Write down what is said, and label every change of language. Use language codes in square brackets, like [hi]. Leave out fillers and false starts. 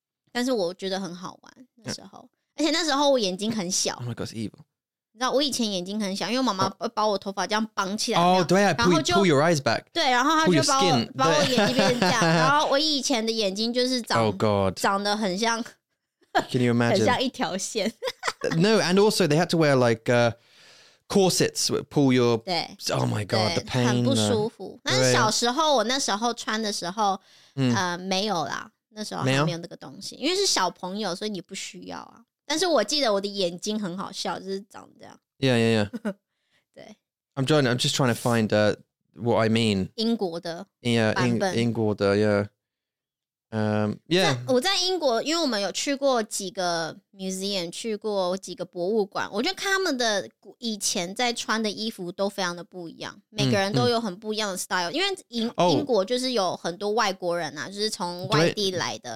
[zh] 但是我觉得很好玩那时候，而且那时候我眼睛很小。 [en] Oh my god, it's evil！ [zh] 你知道我以前眼睛很小，因为妈妈把我头发这样绑起来。哦、 oh, ，对啊，然后就 [en] pull your eyes back。 [zh] 对，然后她就把我眼睛变成这样，然后我以前的眼睛就是长 [en] ，Oh god， [zh] 长得很像。 [en] Can you imagine？ [zh] 很像一条线。 [en] No, and also they had to wear like. Corsets pull your oh my god the pain [zh] 很不舒服。但是小时候我那时候穿的时候，没有啦，那时候还没有那个东西，因为是小朋友，所以你不需要啊。但是我记得我的眼睛很好笑，就是长这样。 [en] Yeah, yeah, yeah. [zh] 对。 [en] I'm just trying to find what I mean. [zh] 英国的 yeah, 版本。英国的 yeah. 我在英国，因为我们有去过几个 museum， 去过几个博物馆，我觉得看他们的以前在穿的衣服都非常的不一样，每个人都有很不一样的 style。因为英国就是有很多外国人啊，就是从外地来的，